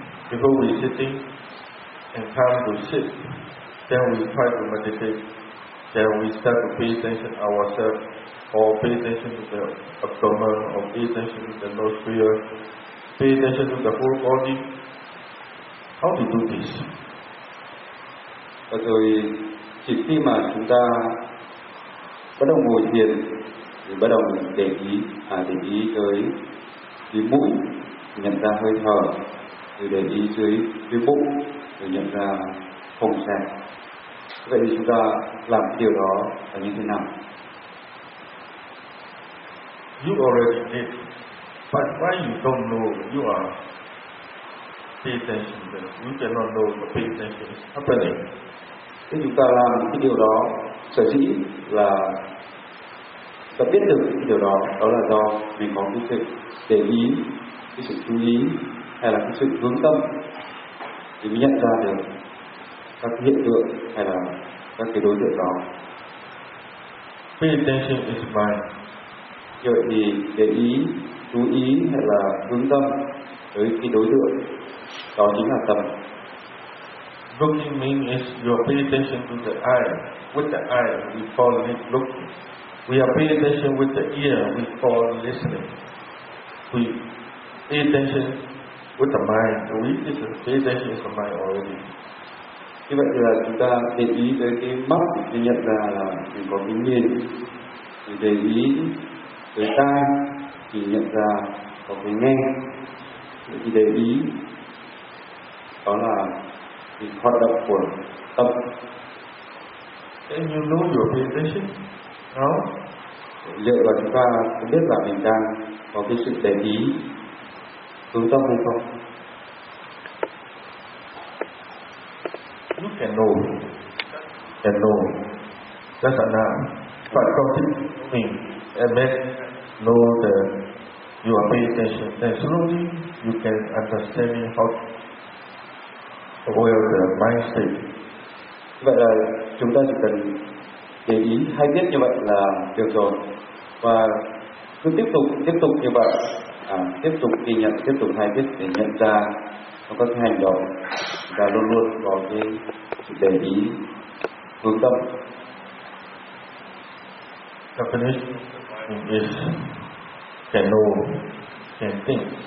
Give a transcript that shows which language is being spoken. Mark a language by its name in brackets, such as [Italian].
[English] Before we sitting and come to sit, then we try to meditate, then we start to pay attention to ourselves, or pay attention to the abdomen, or pay attention to the nostril, pay attention to the whole body. How to do this? [Vietnamese] Và rồi chỉ khi mà chúng ta bắt đầu ngồi thiền thì bắt đầu để ý tới cái mũi, nhận ra hơi thở, rồi để ý dưới cái bụng, rồi nhận ra phồng xẹp. Vậy thì chúng ta làm điều đó là như thế nào? [English] You already did, but why you don't know you are pay attention to it? You cannot know the pay attention is happening. [Vietnamese] Thế chúng ta làm cái điều đó sở dĩ là ta biết được cái điều đó, đó là do mình có cái sự để ý, cái sự chú ý, hay là cái sự hướng tâm để mình nhận ra được các hiện tượng hay là các cái đối tượng đó. [English] Pay attention is mind. [Vietnamese] Như vậy thì để ý, chú ý hay là hướng tâm tới cái đối tượng đó chính là tâm. [English] Looking means is your pay attention to the eye. With the eye, we call it looking. We are paying attention with the ear. We call it listening. We pay attention with the mind. We is pay attention with the mind already. [Vietnamese] Như vậy thì là chúng ta để ý tới cái mắt để nhận ra là mình có cái nhìn. Thì để ý tới tai thì nhận ra có cái nghe. Thì để ý đó là hoạt động của tâm. [English] And you know your pay attention? No? [Vietnamese] Liệu là chúng ta có biết là mình đang có cái sự để ý hướng tâm hay không? [English] You can know. Can know. That's enough. But don't think of me. And then know that you are paying attention. Then slowly you can understand me how aware of the mind state. [Vietnamese] Vậy là chúng ta chỉ cần để ý hay biết như vậy là được rồi. Và cứ tiếp tục như vậy, tiếp tục ghi nhận, tiếp tục hay biết để nhận ra các cái hành động và luôn luôn có cái để ý hướng tâm. [English] Definition is can know, can think.